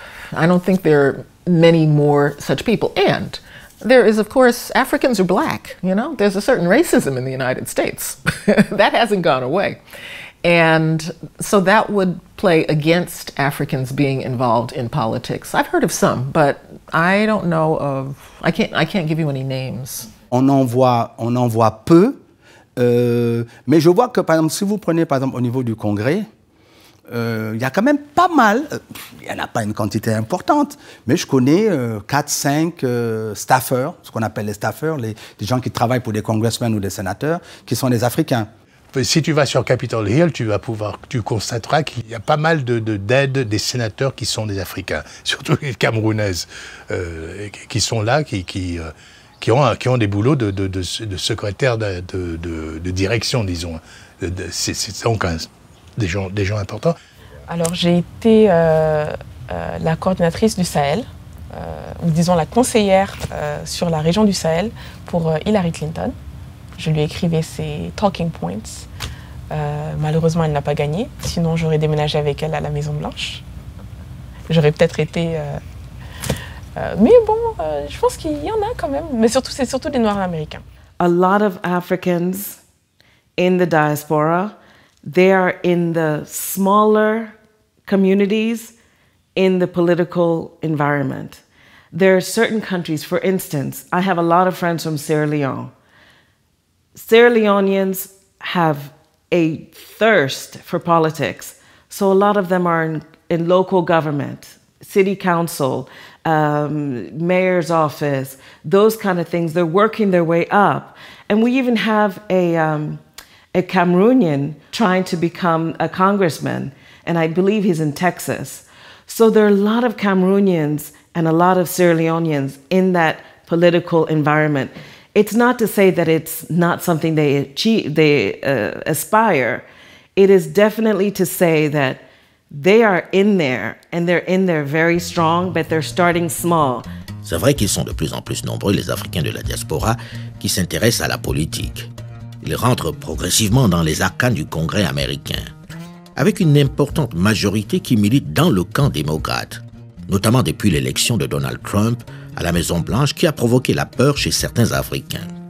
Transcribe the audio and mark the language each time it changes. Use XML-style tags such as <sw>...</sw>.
<en>I don't think there are many more such people. And there is, of course, Africans are black, you know? There's a certain racism in the United States. That hasn't gone away. And so that would play against Africans being involved in politics. I've heard of some, but I don't know of, I can't give you any names.</en> <fr>On en voit peu, mais je vois que, par exemple, si vous prenez, par exemple, au niveau du Congrès, il y a quand même pas mal, il n'y en a pas une quantité importante, mais je connais 4-5 staffers, ce qu'on appelle les staffers, les gens qui travaillent pour des congressmen ou des sénateurs, qui sont des Africains. Si tu vas sur Capitol Hill, tu constateras qu'il y a pas mal d'aides des sénateurs qui sont des Africains, surtout les Camerounaises, qui sont là, qui ont des boulots de secrétaire de direction, disons. C'est donc des gens importants. Alors, j'ai été la coordinatrice du Sahel, ou disons la conseillère sur la région du Sahel pour Hillary Clinton. Je lui écrivais ses</fr> <en>talking points.</en> <fr>Malheureusement, elle n'a pas gagné. Sinon, j'aurais déménagé avec elle à la Maison-Blanche. J'aurais peut-être été... je pense qu'il y en a quand même. Mais surtout, c'est surtout des Noirs américains.</fr> <en>A lot of Africans in the diaspora, they are in the smaller communities in the political environment. There are certain countries, for instance, I have a lot of friends from Sierra Leone. Sierra Leoneans have a thirst for politics, so a lot of them are in local government, city council, mayor's office, those kind of things. They're working their way up. And we even have a Cameroonian trying to become a congressman, and I believe he's in Texas. So there are a lot of Cameroonians and a lot of Sierra Leoneans in that political environment. It's not to say that it's not something they achieve, they aspire. It is definitely to say that they are in there, and they're in there very strong, but they're starting small.</en> <fr>C'est vrai qu'ils sont de plus en plus nombreux, les Africains de la diaspora, qui s'intéressent à la politique. Ils rentrent progressivement dans les arcanes du Congrès américain, avec une importante majorité qui milite dans le camp démocrate, notamment depuis l'élection de Donald Trump à la Maison-Blanche, qui a provoqué la peur chez certains Africains.</fr>